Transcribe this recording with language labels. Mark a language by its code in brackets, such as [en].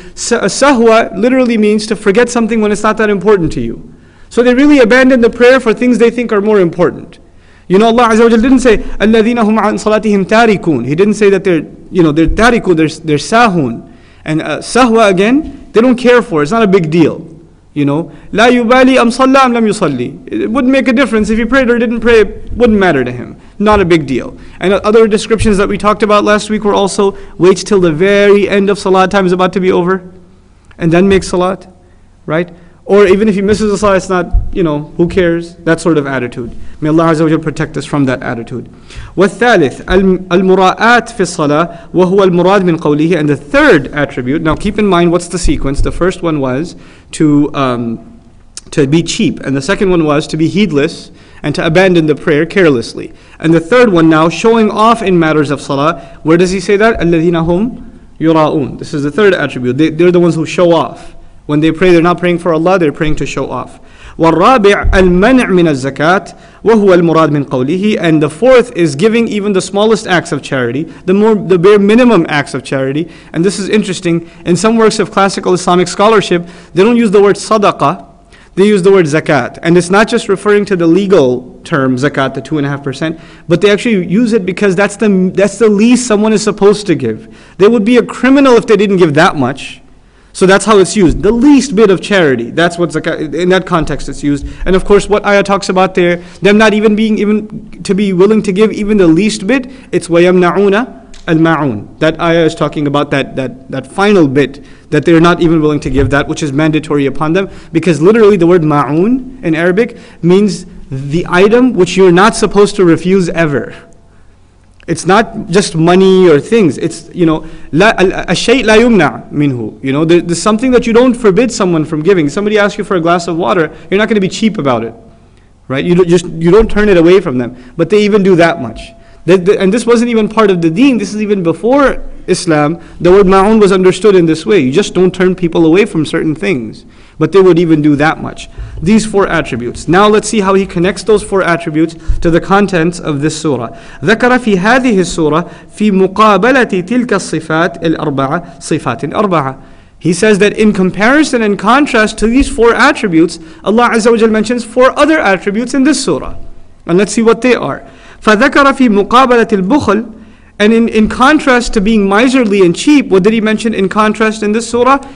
[en] Sahwa literally means to forget something when it's not that important to you. So they really abandon the prayer for things they think are more important. You know, Allah Azza wa Jal didn't say [ar] الَّذِينَ هُمْ عَنْ صَلَاتِهِمْ تَارِكُونَ. [en] He didn't say that they're, you know, they're tarikun, they're sahun. And sahwa again, they don't care for it. It's not a big deal. You know, [ar] لَا يُبَالِي أَمْ صَلَّى أَمْ لَمْ يُصَلِّي. [en] It wouldn't make a difference. If he prayed or didn't pray, it wouldn't matter to him. Not a big deal. And other descriptions that we talked about last week were also waits till the very end of salat time is about to be over and then makes salat, right? Or even if he misses a salah, it's not, you know, who cares? That sort of attitude. May Allah Azza wa Jalla protect us from that attitude. [ar] والثالث, المراءات في الصلاة وهو المراد من قوله. [en] And the third attribute, now keep in mind what's the sequence. The first one was to be cheap. And the second one was to be heedless and to abandon the prayer carelessly. And the third one now, showing off in matters of salah. Where does he say that? [ar] الَّذِينَ هُمْ يُرَاءُونَ. [en] This is the third attribute. They're the ones who show off. When they pray, they're not praying for Allah, they're praying to show off. [ar] والرابع المنع من الزكاة وهو المراد من قوله. [en] And the fourth is giving even the smallest acts of charity, the bare minimum acts of charity. And this is interesting. In some works of classical Islamic scholarship, they don't use the word sadaqah, they use the word zakat. And it's not just referring to the legal term zakat, the 2.5%, but they actually use it because that's the least someone is supposed to give. They would be a criminal if they didn't give that much. So that's how it's used. The least bit of charity. That's what zakat, in that context it's used. And of course what ayah talks about there, them not even being even to be willing to give even the least bit, it's [ar] وَيَمْنَعُونَ الْمَعُونَ. [en] That ayah is talking about that final bit that they're not even willing to give, that which is mandatory upon them. Because literally the word ma'un in Arabic means the item which you're not supposed to refuse ever. It's not just money or things. It's, you know, [ar] الشيء لا يمنع منه. [en] You know, there's something that you don't forbid someone from giving. Somebody asks you for a glass of water, you're not going to be cheap about it, right? You don't turn it away from them. But they even do that much. And this wasn't even part of the deen. This is even before Islam. The word ma'un was understood in this way. You just don't turn people away from certain things. But they would even do that much. These four attributes. Now let's see how he connects those four attributes to the contents of this surah. [ar] ذكر في هذه السورة في مقابلة تلك الصفات الأربعة صفات أربعة. [en] He says that in comparison and contrast to these four attributes, Allah Azza wa Jalla mentions four other attributes in this surah. And let's see what they are. [ar] فَذَكَرَ فِي مُقَابَلَةِ الْبُخْلِ. [en] And in contrast to being miserly and cheap, what did he mention in contrast in this surah?